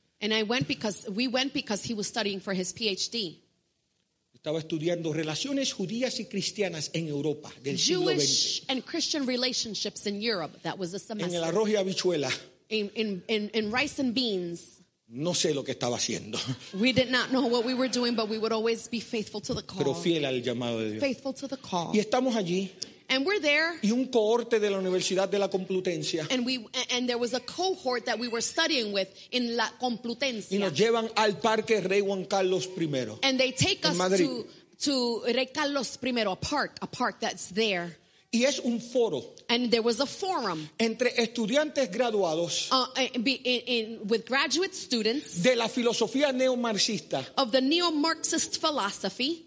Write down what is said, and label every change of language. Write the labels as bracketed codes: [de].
[en] And we went because he was studying for his PhD. [es] Estaba estudiando relaciones judías y cristianas en Europa del [en] Jewish [es] siglo XX. [en] And Christian relationships in Europe. That was a semester. [es] En el arroz y habichuela. [en] In rice and beans. [es] No sé lo que estaba haciendo. [en] We did not know what we were doing, but we would always be faithful to the call. [es] Pero fiel al llamado de Dios. [en] Faithful to the call. [es] Y estamos allí. [en] And we're there. [es] Y un cohorte de la Universidad de la Complutense. [en] And there was a cohort that we were studying with in La Complutense. [es] Y nos llevan al Parque Rey Juan Carlos I. [en] And they take us to Rey Carlos I, a park that's there. [es] Y es un foro. [en] And there was a forum. [es] Entre estudiantes graduados. [en] With graduate students. [es] De la filosofía neo-marxista. [en] Of the neo-Marxist philosophy.